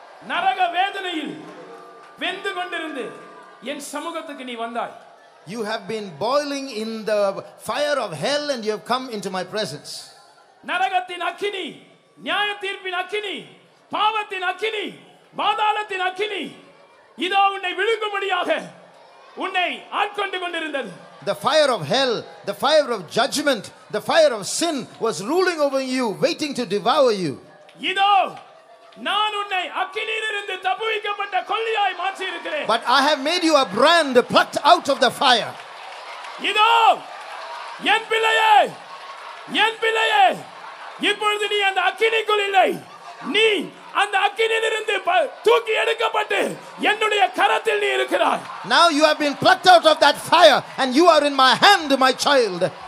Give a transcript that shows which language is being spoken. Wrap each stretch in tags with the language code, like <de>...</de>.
<ta>நரக வேதனையில் வெந்து கொண்டிருந்து என் சமூகத்துக்கு நீ வந்தாய்.</ta> <en>You have been boiling in the fire of hell and you have come into my presence.</en> <ta>நரகத்தின் அக்கினி, நியாய தீர்ப்பின் அக்கினி, பாவத்தின் அக்கினி, பாதாளத்தின் அக்கினி இதோ உன்னை விழுங்கும்படியாக உன்னை ஆட்கொண்டு கொண்டிருந்தது.</ta> <en>The fire of hell, the fire of judgment, the fire of sin was ruling over you, waiting to devour you.</en> <ta>இதோ நான் உன்னை அக்கினியிலிருந்து தப்புவிக்கப்பட்ட கொள்ளியாய் மாற்றி இருக்கிறேன்.</ta> <en>But I have made you a brand plucked out of the fire.</en> <ta>இதோ என் பிள்ளையே இப்பொழுது நீ அந்த அக்கினிக்குள் இல்லை, நீ அந்த அக்கினியிலிருந்து தூக்கி எடுக்கப்பட்டு என்னுடைய கரத்தில் நீ இருக்கிறாய்.</ta> <en>Now you have been plucked out of that fire and you are in my hand, my child.</en>